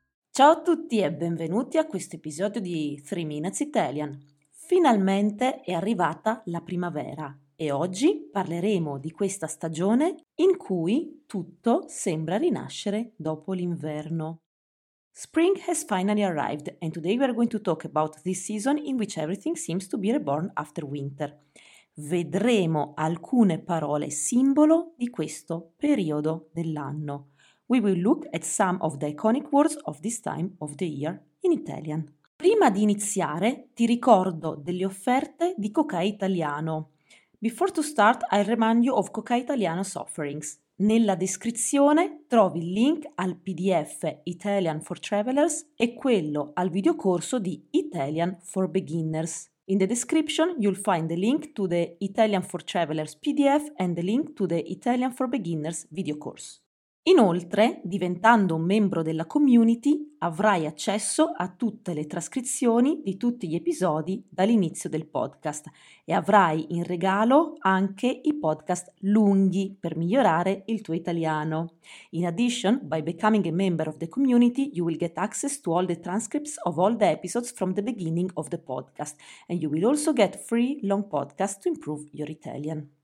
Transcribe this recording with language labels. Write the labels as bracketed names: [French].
[Italian] Ciao a tutti e benvenuti a questo episodio di 3 Minutes Italian. Finalmente è arrivata la primavera e oggi parleremo di questa stagione in cui tutto sembra rinascere dopo l'inverno. [English] Spring has finally arrived and today we are going to talk about this season in which everything seems to be reborn after winter. [Italian] Vedremo alcune parole simbolo di questo periodo dell'anno. [English] We will look at some of the iconic words of this time of the year in Italian. [Italian] Prima di iniziare, ti ricordo delle offerte di Cocai Italiano. [English] Before to start, I remind you of Cocai Italiano's offerings. [Italian] Nella descrizione trovi il link al PDF Italian for Travelers e quello al videocorso di Italian for Beginners. [English] In the description, you'll find the link to the Italian for Travelers PDF and the link to the Italian for Beginners videocourse. [Italian] Inoltre, diventando un membro della community, avrai accesso a tutte le trascrizioni di tutti gli episodi dall'inizio del podcast e avrai in regalo anche i podcast lunghi per migliorare il tuo italiano. [English] In addition, by becoming a member of the community, you will get access to all the transcripts of all the episodes from the beginning of the podcast and you will also get free long podcasts to improve your Italian.